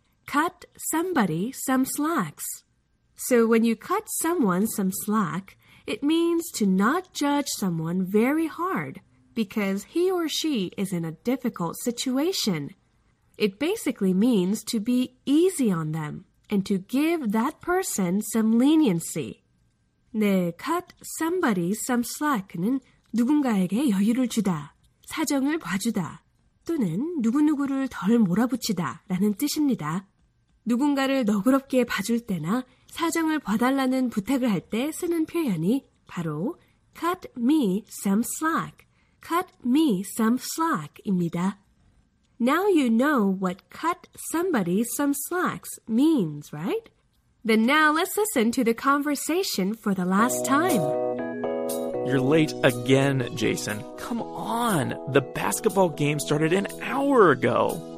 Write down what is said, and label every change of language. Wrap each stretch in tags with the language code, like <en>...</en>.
<en>Cut somebody some slacks. So when you cut someone some slack, it means to not judge someone very hard because he or she is in a difficult situation. It basically means to be easy on them and to give that person some leniency.</en> <ko>네, cut somebody some slack는 누군가에게 여유를 주다, 사정을 봐주다, 또는 누구누구를 덜 몰아붙이다 라는 뜻입니다. 누군가를 너그럽게 봐줄 때나 사정을 봐달라는 부탁을 할 때 쓰는 표현이 바로 cut me some slack, cut me some slack입니다.</ko> <en>Now you know what cut somebody some slacks means, right? Then now let's listen to the conversation for the last time. You're late again, Jason. Come on, the basketball game started an hour ago.</en>